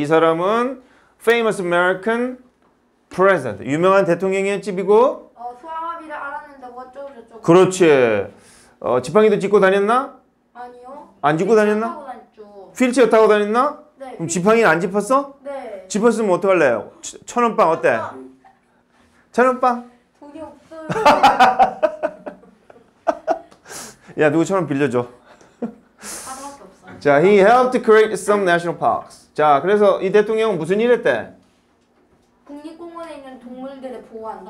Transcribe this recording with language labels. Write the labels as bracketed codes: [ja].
[ko] 이 사람은 [en] famous American president. [ko] 유명한 대통령이었지, 미국? 소아마비를 알았는데 어쩌고저쩌고. 그렇지. 지팡이도 짚고 다녔나? 아니요. 안 짚고 다녔나? 휠체어 타고 다녔죠. 휠체어 타고 다녔나? 네. 그럼 휠체어. 지팡이는 안 짚었어? 네. 짚었으면 어떡할래요? 천원빵 어때? 천원빵? 돈이 없어요. 야, 누구 천원 빌려줘. 하나밖에 없어. [en] 자, he helped to create some national parks. [ko] 자, 그래서 이 대통령은 무슨 일 했대? 국립공원에 있는 동물들을 보호한다.